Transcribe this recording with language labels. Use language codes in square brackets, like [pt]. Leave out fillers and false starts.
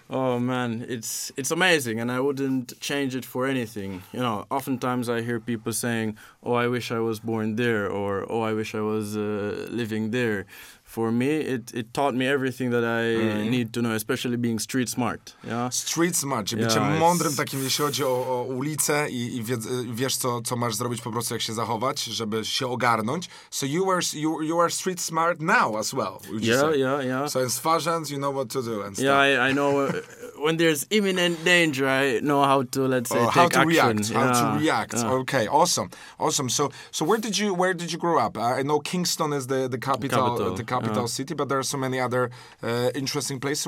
[en] Oh, man, it's amazing. And I wouldn't change it for anything. You know, oftentimes I hear people saying, oh, I wish I was born there, or oh, I wish I was living there. For me, it taught me everything that I need to know, especially being street smart. Yeah? [pl] Street smart, czyli bycie mądrym, takim, jeśli chodzi o ulicę i wiesz, co masz zrobić po prostu, jak się zachować, żeby się ogarnąć. [en] So you are street smart now as well, would you say? Yeah. So in Swaziland, you know what to do and stuff. Yeah, I know when there's imminent danger, I know how to, let's say, take action. How to react. Yeah. Okay, awesome. So where did you grow up? I know Kingston is the capital city, but there are so many other interesting places.